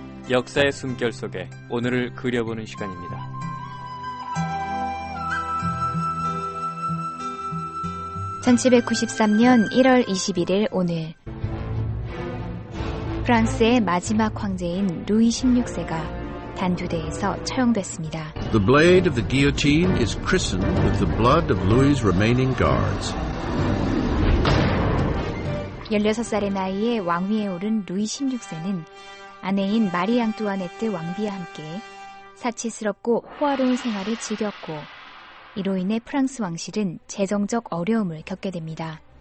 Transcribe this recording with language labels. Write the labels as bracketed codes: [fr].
[ko] 역사의 숨결 속에 오늘을 그려보는 시간입니다. 1793년 1월 21일 오늘, 프랑스의 마지막 황제인 루이 16세가 단두대에서 처형됐습니다. [en] The blade of the guillotine is christened with the blood of Louis's remaining guards. [ko] 16살의 나이에 왕위에 오른 루이 16세는 아내인 마리 앙뚜아네트 왕비와 함께 사치스럽고 호화로운 생활을 즐겼고, 이로 인해 프랑스 왕실은 재정적 어려움을 겪게 됩니다.